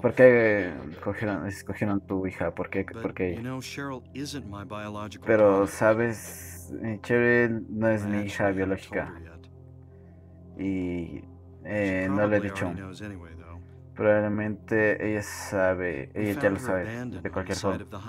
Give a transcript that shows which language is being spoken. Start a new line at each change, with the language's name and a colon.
Spanish: ¿Por qué escogieron tu hija? ¿Por qué?
English: You know, Cheryl isn't my biological.
Spanish: Pero sabes, Cheryl no es mi hija biológica. Y no le he dicho. Probablemente ella sabe, ella ya lo sabe, de cualquier forma.